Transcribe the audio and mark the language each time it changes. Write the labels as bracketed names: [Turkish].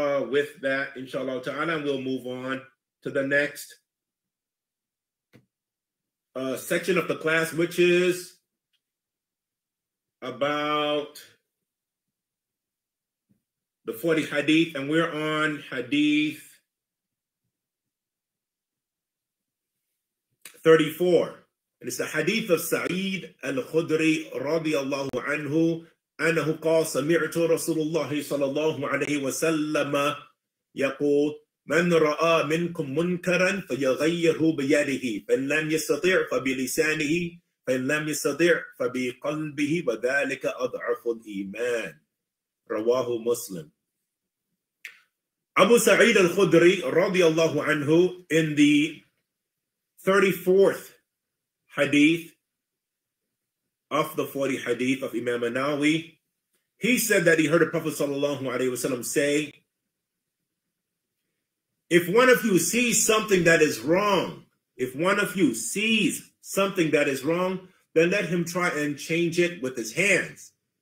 [English] with that, inshallah ta'ala, and we'll move on to the next section of the class, which is about the 40 hadith, and we're on hadith 34. And it's the hadith of Sa'id al-Khudri radiallahu anhu. [Arabic] أنه قال سمعت رسول الله صلى الله عليه وسلم يقول من رأى منكم منكرا فيغيره بيده فإن لم يستطع فبلسانه فإن لم يستطع فبقلبه وذلك أضعف الإيمان رواه مسلم. أبو سعيد الخدري رضي الله عنه [English] in the 34th hadith of the 40 hadith of Imam Nawawi, he said that he heard the Prophet sallallahu alaihi wasallam say, if one of you sees something that is wrong, if one of you sees something that is wrong, then let him try and change it with his hands.